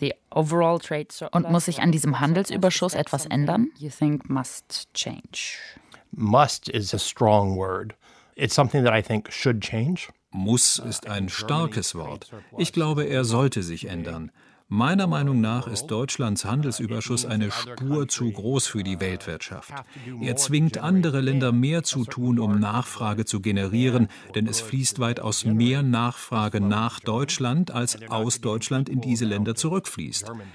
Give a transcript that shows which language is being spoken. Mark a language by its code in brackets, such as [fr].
[de] Und muss sich an diesem Handelsüberschuss etwas ändern? [en] You think must change? Must is a strong word. It's something that I think should change. [de] Muss ist ein starkes Wort. Ich glaube, er sollte sich ändern. Meiner Meinung nach ist Deutschlands Handelsüberschuss eine Spur zu groß für die Weltwirtschaft. Er zwingt andere Länder mehr zu tun, um Nachfrage zu generieren, denn es fließt weitaus mehr Nachfrage nach Deutschland, als aus Deutschland in diese Länder zurückfließt.